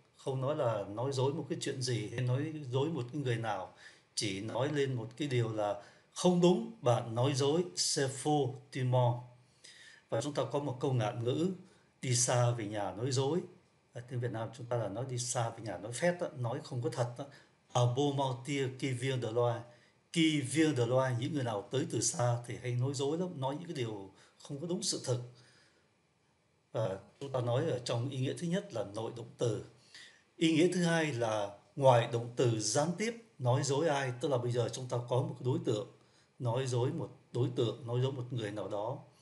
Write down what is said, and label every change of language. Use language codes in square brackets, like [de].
[vi] Không nói là nói dối một cái chuyện gì hay nói dối một cái người nào. Chỉ nói lên một cái điều là không đúng, bạn nói dối, [fr] c'est faux, tu mens. [vi] Và chúng ta có một câu ngạn ngữ, đi xa về nhà nói dối. Ở tiếng Việt Nam chúng ta là nói đi xa về nhà nói phét, đó, nói không có thật. [fr] À beau mentir qui vient de loin. Qui vient de loin, [vi] những người nào tới từ xa thì hay nói dối lắm, nói những cái điều không có đúng sự thật. Và chúng ta nói ở trong ý nghĩa thứ nhất là nội động từ. Ý nghĩa thứ hai là ngoại động từ gián tiếp, nói dối ai, tức là bây giờ chúng ta có một đối tượng, nói dối một đối tượng, nói dối một người nào đó.